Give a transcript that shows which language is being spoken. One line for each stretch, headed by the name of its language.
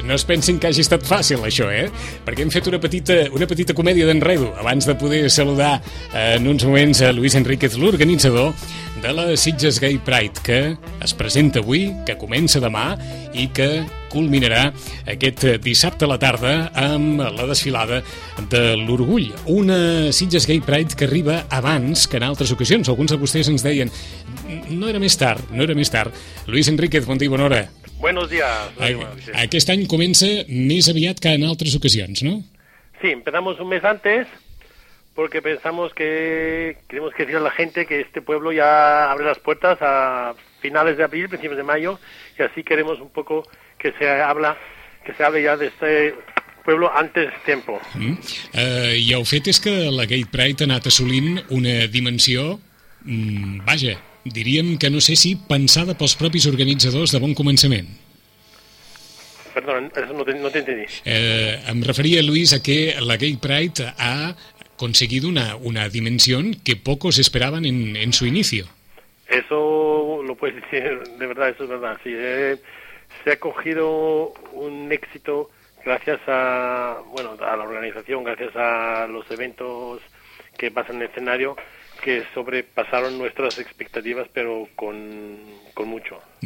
Catalan: No es pensin que hagi estat fàcil, això, eh? Perquè hem fet una petita comèdia d'enredo abans de poder saludar en uns moments a Luis Enríquez, l'organitzador de la Sitges Gay Pride, que es presenta avui, que comença demà i que culminarà aquest dissabte a la tarda amb la desfilada de l'Orgull. Una Sitges Gay Pride que arriba abans que en altres ocasions. Alguns de vostès ens deien, no era més tard, no era més tard. Luis Enríquez, bon dia i bona hora.
Spanish: Buenos días.
Catalan: Aquest any comença més aviat que en altres ocasions, no?
Spanish: Sí, empezamos un mes antes porque pensamos que queremos que diga la gente que este pueblo ya abre las puertas a finales de abril, principios de mayo, y así queremos un poco que se habla, que se hable ya de este pueblo antes de tiempo.
Catalan: I el fet és que la Gay Pride ha anat assolint una dimensió, vaja, diríem que no sé si pensada pels propis organitzadors de bon començament. Perdona, no t'he entès. Em referia,
Spanish: Luis, a que la Gay Pride ha conseguido una dimensión que pocos esperaban en su inicio. Eso lo puedes decir, de verdad, eso es verdad. Sí, se ha cogido un éxito gracias a, bueno, a la organización, gracias a los eventos que pasan en el escenario, que sobrepasaron nuestras expectativas, pero con mucho.